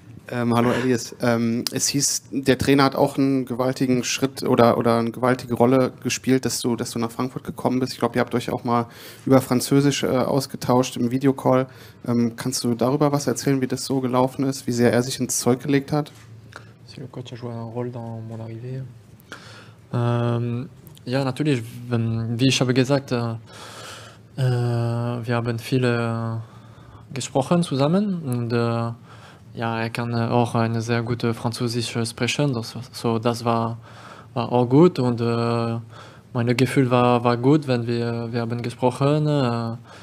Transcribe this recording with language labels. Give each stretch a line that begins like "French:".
German: Hallo Elias, es hieß, der Trainer hat auch einen gewaltigen Schritt oder eine gewaltige Rolle gespielt, dass du nach Frankfurt gekommen bist. Ich glaube, ihr habt euch auch mal über Französisch ausgetauscht im Videocall. Kannst du darüber was erzählen, wie das so gelaufen ist, wie sehr er sich ins Zeug gelegt hat?
French: Si le coach a joué un rôle dans mon arrivée.
German: Ja, natürlich, wie ich habe gesagt, wir haben viel gesprochen zusammen und ja, er kann auch eine sehr gute Französisch sprechen, das war auch gut und mein Gefühl war gut, wenn wir haben gesprochen.